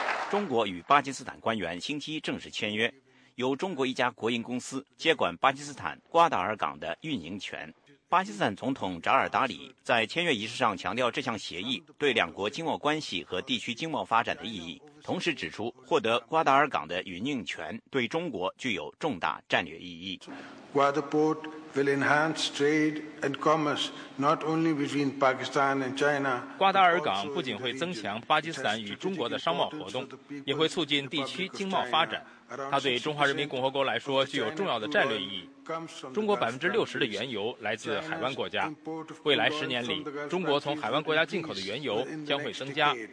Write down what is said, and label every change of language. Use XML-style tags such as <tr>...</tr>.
<zh>中国与巴基斯坦官员星期一正式签约，由中国一家国营公司接管巴基斯坦瓜达尔港的运营权。巴基斯坦总统扎尔达里在签约仪式上强调这项协议对两国经贸关系和地区经贸发展的意义，同时指出获得瓜达尔港的运营权对中国具有重大战略意义。</zh> <en>Guadaport will enhance trade and commerce not only between Pakistan and China.</en> <zh>瓜达尔港不仅会增强巴基斯坦与中国的商贸活动，也会促进地区经贸发展。它对中华人民共和国来说具有重要的战略意义。中国60%的原油来自海湾国家，未来十年里，中国从海湾国家进口的原油将会增加。</zh>